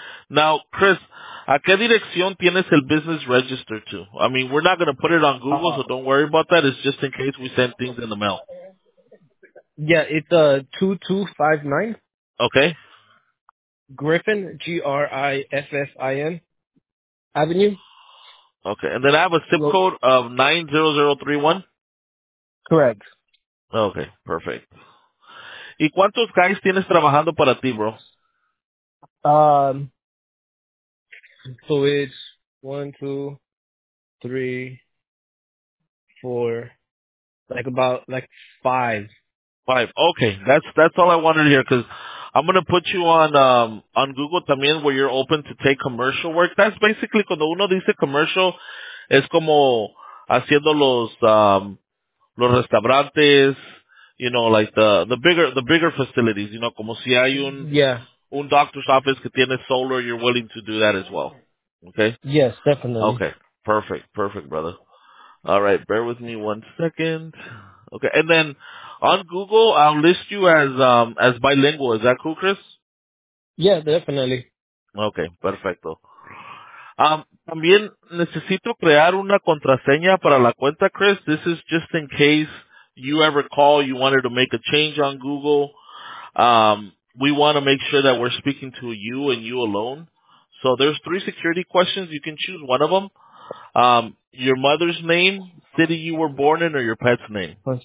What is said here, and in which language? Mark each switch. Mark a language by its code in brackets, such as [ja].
[es] Now, Chris, ¿a qué dirección tienes el [en] business register to? I mean, we're not going to put it on Google, so don't worry about that. It's just in case we send things in the mail. Yeah, it's 2259. Okay. Griffin, Griffin Avenue. Okay. And then I have a zip code of 90031. Correct. Okay. Perfect. [es] ¿Y cuántos guys tienes trabajando para ti, bro? [en] So it's 1, 2, 3, 4, about five. Five. Okay. That's all I wanted to hear, because I'm going to put you on Google también, where you're open to take commercial work. That's basically, [es] cuando uno dice commercial, es como haciendo los restaurantes, [en] like the bigger facilities, [es] como si hay un doctor's office que tiene solar, [en] you're willing to do that as well. Okay? Yes, definitely. Okay. Perfect, brother. All right, bear with me one second. Okay. And then on Google, I'll list you as bilingual. Is that cool, Chris? Yeah, definitely. [es] Okay, perfecto. También necesito crear una contraseña para la cuenta, Chris. [en] This is just in case you ever call, you wanted to make a change on Google. We want to make sure that we're speaking to you and you alone. So there's three security questions. You can choose one of them. Your mother's name, city you were born in, or your pet's name?